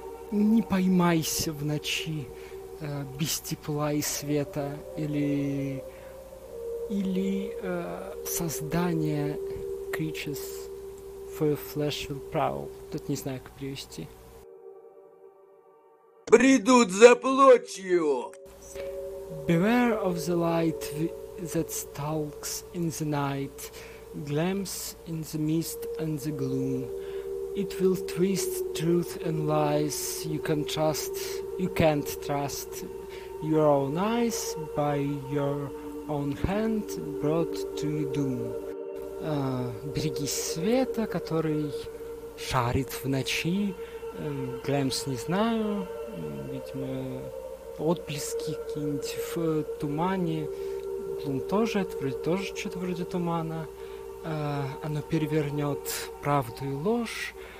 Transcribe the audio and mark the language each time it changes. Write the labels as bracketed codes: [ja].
[ru] Не поймайся в ночи без тепла и света или или создание [en] creatures for your flesh will prowl. [ru] Тут не знаю, как перевести. Придут за плотью! [en] Beware of the light that stalks in the night, glams in the mist and the gloom. It will twist truth and lies you can trust, you can't trust. Your own eyes by your own hand brought to you doom. [ru] Берегись света, который шарит в ночи. Glams не знаю, видимо, отблески какие-нибудь в тумане. Gloom тоже, это вроде тоже что-то вроде тумана. Оно перевернет правду и ложь.